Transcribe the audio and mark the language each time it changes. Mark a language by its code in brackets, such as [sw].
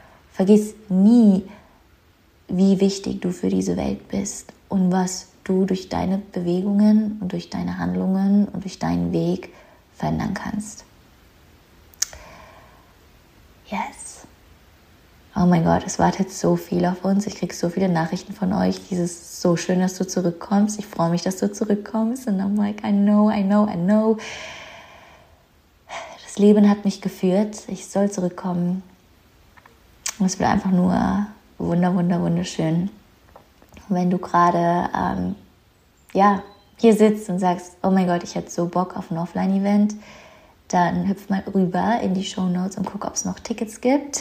[de] Vergiss nie, wie wichtig du für diese Welt bist und was du durch deine Bewegungen und durch deine Handlungen und durch deinen Weg verändern kannst. Yes. Oh mein Gott, es wartet so viel auf uns. Ich kriege so viele Nachrichten von euch. Dieses so schön, dass du zurückkommst. Ich freue mich, dass du zurückkommst. [en] And I'm like, I know, I know, I know. [de] Das Leben hat mich geführt. Ich soll zurückkommen. Und es wird einfach nur wunder, wunder, wunderschön. Wenn du gerade hier sitzt und sagst, oh mein Gott, ich hätte so Bock auf ein Offline-Event, dann hüpf mal rüber in die Shownotes und guck, ob es noch Tickets gibt.